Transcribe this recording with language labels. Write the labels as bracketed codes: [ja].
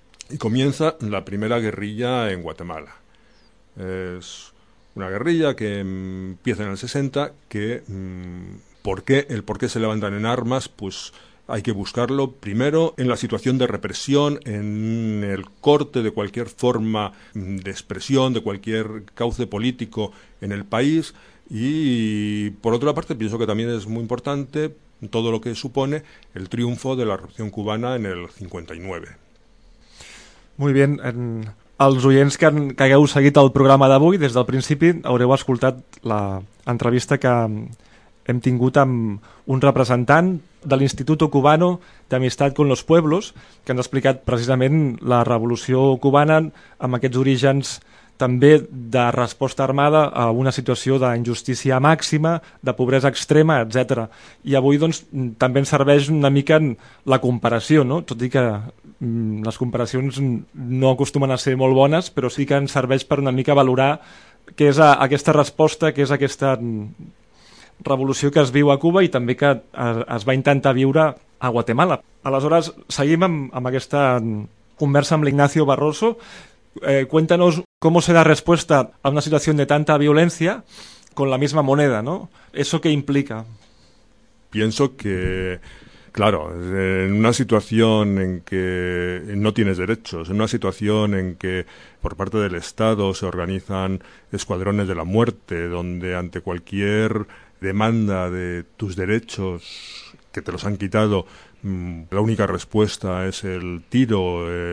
[es] Y comienza la primera guerrilla en Guatemala. Es una guerrilla que empieza en el 60, que por qué se levantan en armas, pues hay que buscarlo primero en la situación de represión, en el corte de cualquier forma de expresión, de cualquier cauce político en el país. Y por otra parte, pienso que también es muy importante todo lo que supone el triunfo de la Revolución Cubana en el 59. Muy bien. [ca] Els oients que hagueu seguit el programa d'avui, des del principi haureu escoltat l'entrevista que hem tingut amb un representant de l'Instituto Cubano d'Amistat con los Pueblos, que ens ha explicat precisament la revolució cubana amb aquests orígens també de resposta armada a una situació d'injustícia màxima, de pobresa extrema, etc. I avui doncs, també ens serveix una mica en la comparació, no? Tot i que les comparacions no acostumen a ser molt bones, però sí que ens serveix per una mica valorar què és aquesta resposta, què és aquesta revolució que es viu a Cuba i també que es va intentar viure a Guatemala. Aleshores, seguim amb aquesta conversa amb l'Ignacio Barroso. [es] Cuéntanos cómo se da respuesta a una situación de tanta violencia con la misma moneda, ¿no? ¿Eso qué implica? Pienso que, claro, en una situación en que no tienes derechos, en una situación en que por parte del Estado se organizan escuadrones de la muerte, donde ante cualquier demanda de tus derechos que te los han quitado, la única respuesta es el tiro